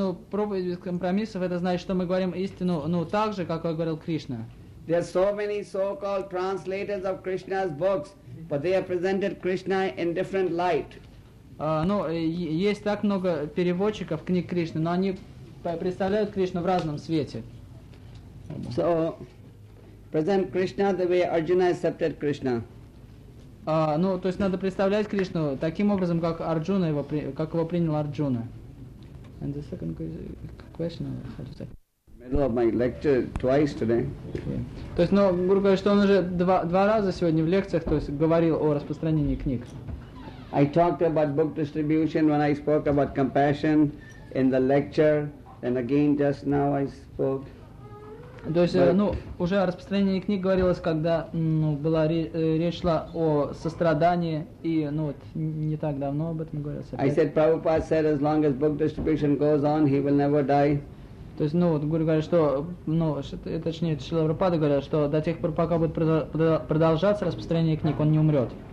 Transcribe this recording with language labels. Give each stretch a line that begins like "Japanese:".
Russian: Проповедь без компромиссов, это значит, что мы говорим истину так же, как говорил Кришна.
English: There are so many so-called translators of Krishna's books, but they have presented Krishna in different light.
Russian: Есть так много переводчиков книг Кришны, но они представляют Кришну в разном свете.
English: So, present Krishna the way Arjuna accepted Krishna.
Russian: То есть надо представлять Кришну таким образом, как Арджуна его как его принял Арджуна.
English: And the second question, how to say? Middle of my lecture twice today. Okay.
Russian: То есть, Гуру говорит, что он уже два раза сегодня в лекциях, то есть говорил о распространении книг.
English: I talked about book distribution when I spoke about compassion in the lecture, and again just now I spoke.
Russian: То есть, уже о распространении книг говорилось, когда была речь шла о сострадании, и не так давно об этом говорилось.
English: I said Prabhupada said as long as book distribution goes on, he will never die.
Russian: То есть, Гуру говорит, что, точнее, Шрила Прабхупада говорит, что до тех пор, пока будет продолжаться распространение книг, он не умрет.